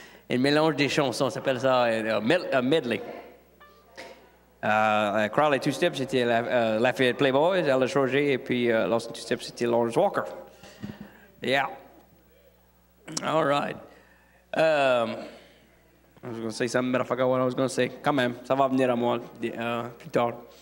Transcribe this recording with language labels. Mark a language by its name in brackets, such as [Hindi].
[French] Un mélange des chansons. Ça s'appelle ça un medley. Crowley to step, c'était Lafayette Playboys, Alice Roger, et puis Lawson to step, c'était Lawrence Walker. [English] Yeah. All right. I was going to say something, but I forgot what I was going to say. [French] Quand même, ça va venir à moi plus tard.